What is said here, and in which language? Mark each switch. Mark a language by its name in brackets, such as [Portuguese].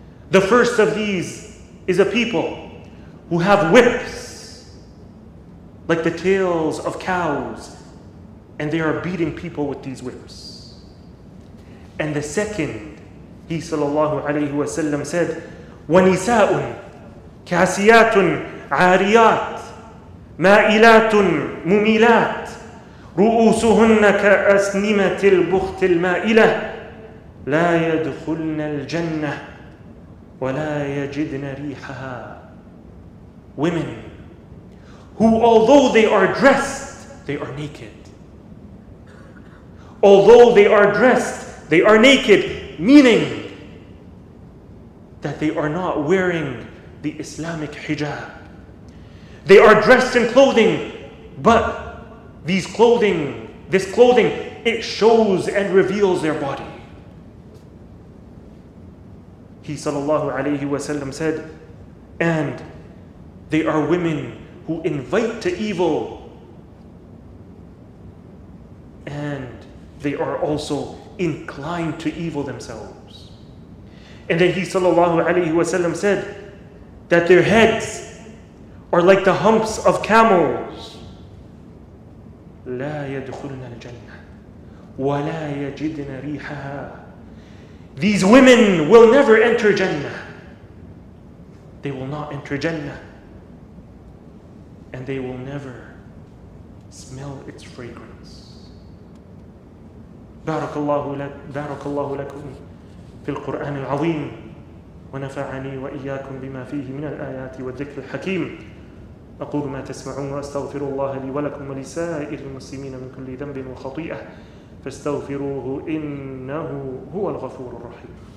[English] The first of these is a people who have whips like the tails of cows, and they are beating people with these whips. And the second, he sallallahu alayhi wa sallam said, [Arabic] ونساء كاسيات عاريات مائلات مميلات رؤوسهن كأسنمة البخت المائلة لا يدخلن الجنة ولا يجدن ريحها. [English] Women who, although they are dressed, they are naked. Although they are dressed, they are naked, meaning that they are not wearing the Islamic hijab. They are dressed in clothing, but this clothing, it shows and reveals their body. He sallallahu alayhi wa sallam said, and they are women who invite to evil, and they are also inclined to evil themselves. And then he sallallahu alayhi wa sallam said that their heads are like the humps of camels. [Arabic] لا يدخلن الجنة ولا يجدن ريحها. [English] These women will never enter Jannah. They will not enter Jannah. And they will never smell its fragrance. [Arabic] بارك الله لكم في القرآن العظيم ونفعني وإياكم بما فيه من الآيات والذكر الحكيم. أقول ما تسمعون وأستغفر الله لي ولكم ولسائر المسلمين من كل ذنب وخطيئة فاستغفروه إنه هو الغفور الرحيم.